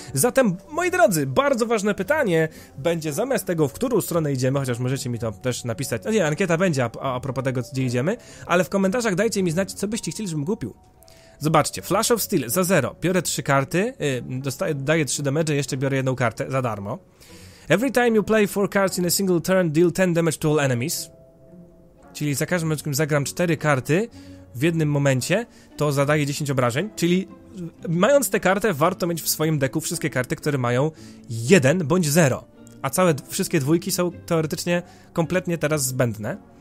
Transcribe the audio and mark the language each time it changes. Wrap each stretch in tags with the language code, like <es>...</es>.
<pl>Zatem, moi drodzy, bardzo ważne pytanie będzie zamiast tego, w którą stronę idziemy, chociaż możecie mi to też napisać. No nie, ankieta będzie a propos tego, gdzie idziemy, ale w komentarzach dajcie mi znać, co byście chcieli, żebym kupił. Zobaczcie, Flash of Steel za 0, biorę 3 karty, daję 3 damage, jeszcze biorę jedną kartę za darmo.</pl> <en>Every time you play 4 cards in a single turn, deal 10 damage to all enemies.</en> <pl>Czyli za każdym razem, kiedy zagram 4 karty w jednym momencie, to zadaję 10 obrażeń. Czyli mając tę kartę, warto mieć w swoim deku wszystkie karty, które mają 1 bądź 0. A całe wszystkie dwójki są teoretycznie kompletnie teraz zbędne.</pl>